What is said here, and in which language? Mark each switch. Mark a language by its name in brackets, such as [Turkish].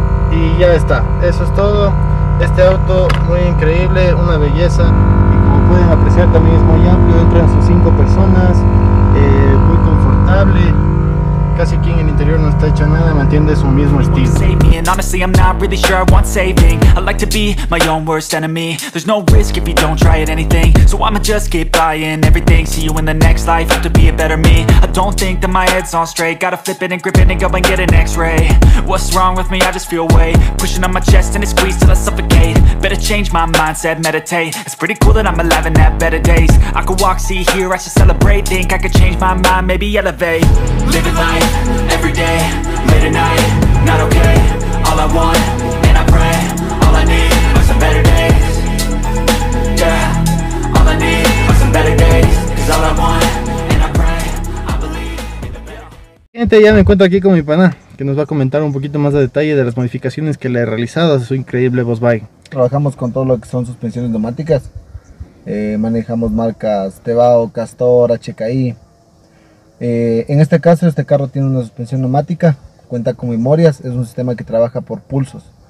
[Spanish] Y ya está, eso es todo. Este auto muy increíble, una belleza. Y como pueden apreciar, también es muy amplio, entran sus 5 personas, muy confortable. Casi aquí en el interior no está hecho nada, mantiene su mismo estilo. [English] Save me, and honestly I'm not really sure I want saving. I like to be my own worst enemy. There's no risk if you don't try at anything. So I'ma just keep buying everything. See you in the next life, have to be a better me. I don't think that my head's on straight. Gotta flip it and grip it and go and get an x-ray. What's wrong with me? I just feel weight pushing on my chest and it squeezes till I suffocate. Better change my mindset, meditate. It's pretty cool that I'm alive and have better days. I could walk, see, hear, I should celebrate. Think I could change my mind, maybe elevate. Living life, every day, late at night, not okay. All I want, and I pray, all I need are some better days. Yeah, all I need are some better days. 'Cause all I want, and I pray, I believe in the better. [Spanish] Gente, ya me encuentro aquí con mi pana, que nos va a comentar un poquito más de detalle de las modificaciones que le he realizado a su increíble Volkswagen. Trabajamos con todo lo que son suspensiones neumáticas. Manejamos marcas Tebao, Castor, HKI. En este caso, este carro tiene una suspensión neumática, cuenta con memorias, es un sistema que trabaja por pulsos.